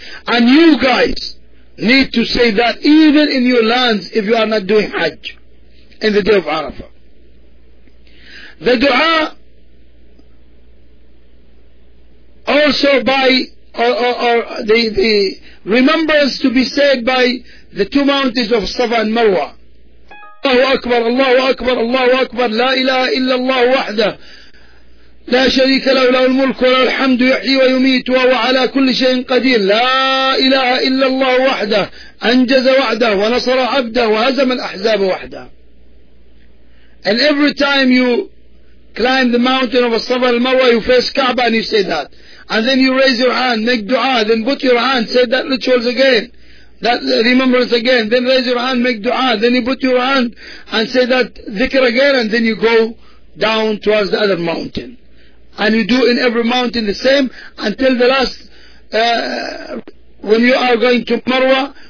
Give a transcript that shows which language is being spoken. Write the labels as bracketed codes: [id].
[en] And you guys need to say that even in your lands if you are not doing Hajj in the day of Arafah. The dua also by or the remembrance to be said by the two mountains of Safa and Marwa. [ar] الله أكبر الله أكبر الله أكبر لا إله إلا الله وحده لا شريك له له الملك وله الحمد يحيي ويميت وهو على كل شيء قدير. لا إله إلا الله وحده أنجز وعده ونصر عبده وهزم الأحزاب وحده. [en] And every time you climb the mountain of الصفا والمروة, you face Kaaba and you say that, and then you raise your hand, make dua, then put your hand, say that rituals again, that remembrance again, then raise your hand, make dua, then you put your hand and say that dhikr again, and then you go down towards the other mountain, and you do in every mountain the same until the last when you are going to Marwa.